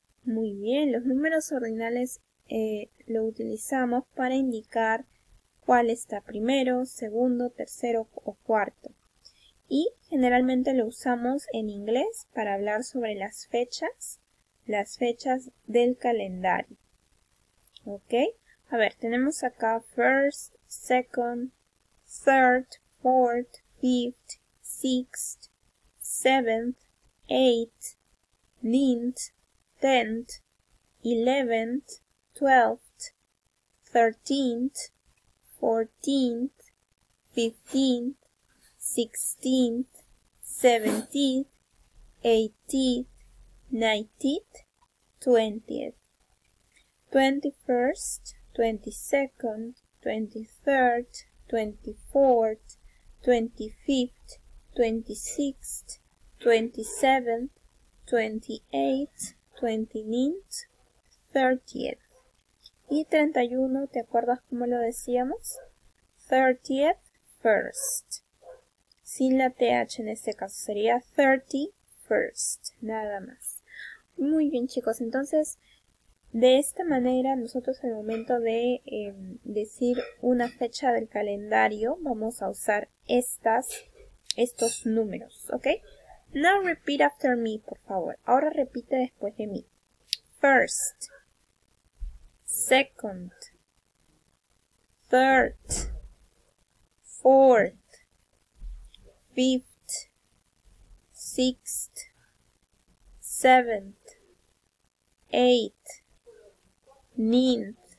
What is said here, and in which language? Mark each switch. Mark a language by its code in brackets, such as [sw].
[es] Muy bien, los números ordinales lo utilizamos para indicar cuál está primero, segundo, tercero o cuarto. Y generalmente lo usamos en inglés para hablar sobre las fechas del calendario. ¿Ok? A ver, tenemos acá [en] first, second, third, fourth, fifth, sixth, seventh, eighth, ninth, 10th, 11th, 12th, 13th, 14th, 15th, 16th, 17th, 18th, 19th, 20th, 21st, 22nd, 23rd, 24th, 25th, 26th, 27th, 28th, 29th, 30th. [es] Y 31, ¿te acuerdas cómo lo decíamos? [en] 30th, first. [es] Sin la TH en este caso sería 31st, nada más. Muy bien, chicos. Entonces, de esta manera, nosotros al momento de decir una fecha del calendario, vamos a usar estos números, ¿ok? [en] Now repeat after me, [es] por favor. Ahora repite después de mí. [en] First, second, third, fourth, fifth, sixth, seventh, eighth, ninth,